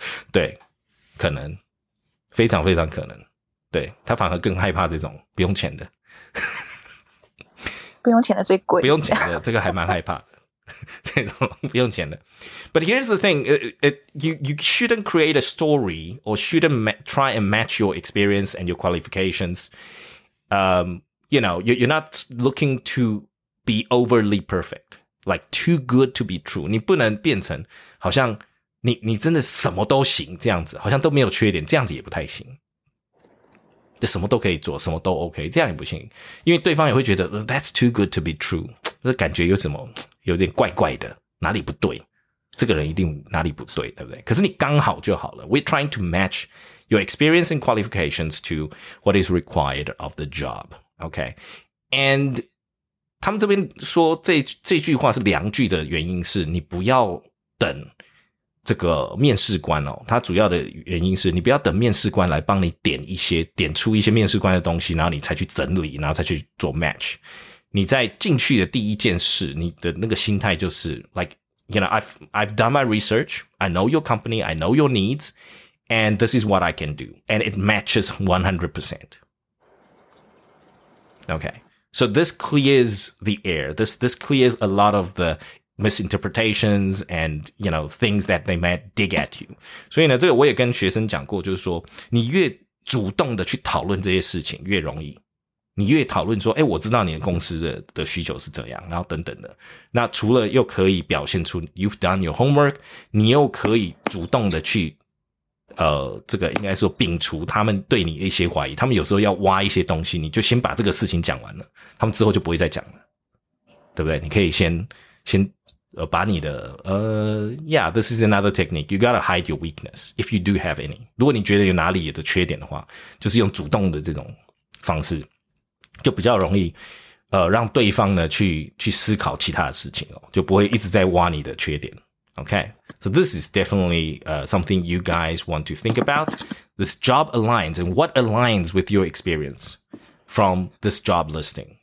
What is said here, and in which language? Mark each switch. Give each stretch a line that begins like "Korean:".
Chinese: 对，可能非常非常可能，对他反而更害怕这种不用钱的。不用钱的最贵。不用钱的，这个还蛮害怕的。这种不用钱的。
English: But here's the thing, you shouldn't create a story or shouldn't try and match your experience and your qualifications. You know, you're not looking to be overly perfect, like too good to be true.
Chinese: 你不能变成好像你真的什么都行这样子，好像都没有缺点，这样子也不太行。就什么都可以做，什么都 OK， 这样也不行，因为对方也会觉得
English: That's too good to be true，
Chinese: 这感觉有什么有点怪怪的，哪里不对？这个人一定哪里不对，对不对？可是你刚好就好了。
English: We're trying to match your experience and qualifications to what is required of the job.
Chinese: Okay, and 他们这边说这句话是两句的原因是你不要等这个面试官哦，他主要的原因是你不要等面试官来帮你点出一些面试官的东西，然后你才去整理，然后才去做 match。你在进去的第一件事，你的那个心态就是
English: like you know I've done my research, I know your company, I know your needs, and this is what I can do, and it matches 100%. Okay, so this clears the air. This clears a lot of the misinterpretations and you know things that they might dig at you.
Chinese: 所以呢，这个我也跟学生讲过，就是说你越主动的去讨论这些事情，越容易。你越讨论说，哎，我知道你的公司的需求是这样，然后等等的。那除了又可以表现出
English: you've done your homework，
Chinese: 你又可以主动的去，这个应该说摒除他们对你的一些怀疑。他们有时候要挖一些东西，你就先把这个事情讲完了，他们之后就不会再讲了，对不对？你可以先把你的
English: yeah, this is another technique. You gotta hide your weakness if you do have any.
Chinese: 如果你觉得有哪里的缺点的话，就是用主动的这种方式。就比较容易让对方呢去思考其他的事情哦，就不会一直在挖你的缺点。
English: Okay, so this is definitely something you guys want to think about. This job aligns and what aligns with your experience from this job listing.